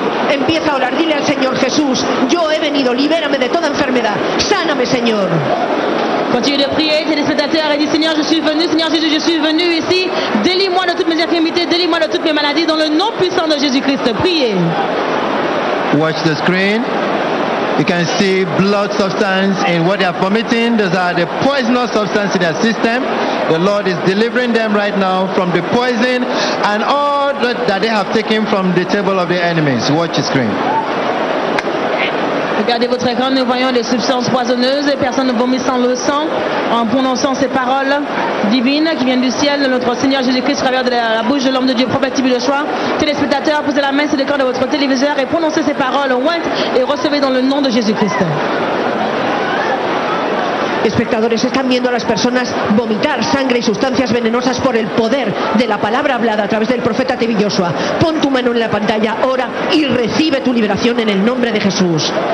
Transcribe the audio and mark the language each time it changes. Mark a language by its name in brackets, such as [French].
[Spanish] Empieza a orar, dile al Señor Jesús, yo he venido, libérame de toda enfermedad, sáname, Señor. [French] Continue de prier, téléspectateur, et dis, Seigneur, je suis venu, Seigneur Jésus, je suis venu ici, délie-moi de toutes mes infirmités, délie-moi de toutes mes maladies, dans le nom puissant de Jésus-Christ, priez. [English] Watch the screen, you can see blood substance in what they are vomiting, those are the poisonous substance in their system. The Lord is delivering them right now from the poison and all that they have taken from the table of the enemies. Watch the screen. [French] Regardez votre écran, nous voyons les substances poisonneuses et personne ne vomit sans le sang en prononçant ces paroles divines qui viennent du ciel de notre Seigneur Jésus-Christ à travers de la bouche de l'homme de Dieu, prophète Tibi de Choix. Téléspectateurs, posez la main sur l'écran de votre téléviseur et prononcez ces paroles ouest et recevez dans le nom de Jésus-Christ. [Spanish] Espectadores, están viendo a las personas vomitar sangre y sustancias venenosas por el poder de la palabra hablada a través del profeta Tibi Joshua. Pon tu mano en la pantalla ahora y recibe tu liberación en el nombre de Jesús.